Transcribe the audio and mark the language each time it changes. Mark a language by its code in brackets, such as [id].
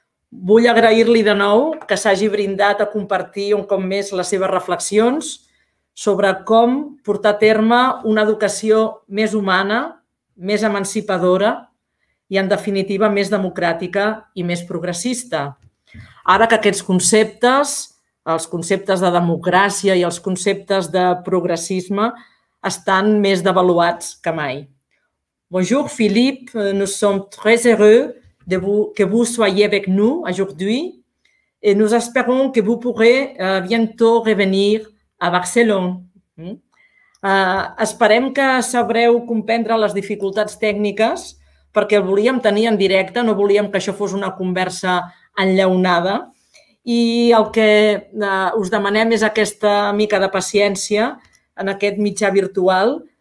[ca] Vull agrair-li de nou que s'hagi brindat a compartir un cop més les seves reflexions sobre com portar a terme una educació més humana, més emancipadora i, en definitiva, més democràtica i més progressista. Ara que aquests conceptes, els conceptes de democràcia i els conceptes de progressisme, estan més devaluats que mai. [fr] Bonjour, Philippe. Nous sommes très heureux de vous, que vous soyez avec nous aujourd'hui et nous espérons que vous pourrez bientôt revenir à Barcelone. [ca] Esperem que sabreu comprendre les dificultats tècniques perquè el volíem tenir en directe, no volíem que això fos una conversa enllaunada. I el que us demanem és aquesta mica de paciència en aquest mitjà virtual.